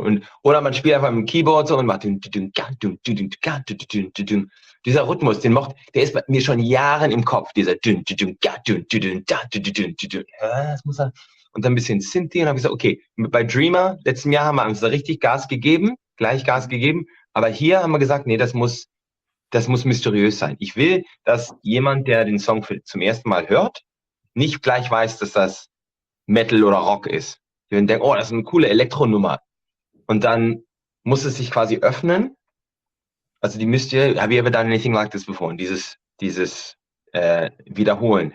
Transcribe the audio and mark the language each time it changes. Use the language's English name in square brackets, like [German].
[German] Und, oder man spielt einfach mit dem Keyboard so und macht dieser Rhythmus, den mocht, der ist bei mir schon Jahren im Kopf, dieser und dann ein bisschen Synthi und dann habe ich gesagt, okay, bei Dreamer letzten Jahr haben wir uns da richtig Gas gegeben, gleich Gas gegeben, aber hier haben wir gesagt, nee, das muss mysteriös sein. Ich will, dass jemand, der den Song zum ersten Mal hört, nicht gleich weiß, dass das Metal oder Rock ist. Die werden denken, oh, das ist eine coole Elektronummer. Und dann muss es sich quasi öffnen. Also die müsst ihr, [English] have you ever done anything like this before? [German] Und dieses Wiederholen.